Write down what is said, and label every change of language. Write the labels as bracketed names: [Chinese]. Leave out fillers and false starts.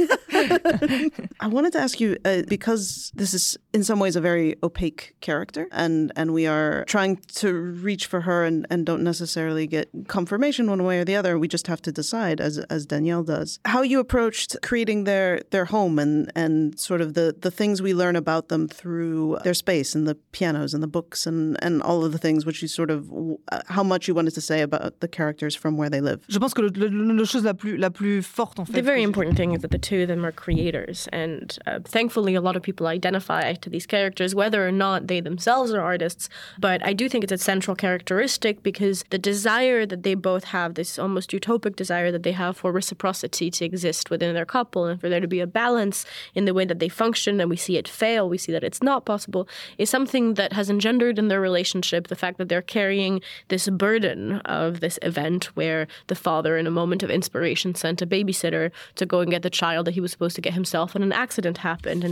[English] I wanted to ask you, because this is in some ways a very opaque character, and we are trying to reach for her and don't necessarily get confirmation one way or the other. We just have to decide, as Danielle does. How you approached creating their home and sort of the things we learn about them through their space and the pianos and the books and all of the things which you sort of, how much you wanted to say about the characters from where they live. [French] Je pense que la chose la plus forte, en fait, [English] the very important thing is that the two of them are creators, and thankfully a lot of people identify to these characters, whether or not they themselves are artists. But I do think it's a central characteristic because the desire that they both have, this almost utopic desire that they have for reciprocity to exist within their couple and for there to be a balance in the way that they function, and we see it fail, we see that it's not possible, is something that has engendered in their relationship the fact that they're carrying this burden of this event where the father, in a moment of inspiration, sent a babysitter to go and get the child that he was supposed to get himself, and an accident happened.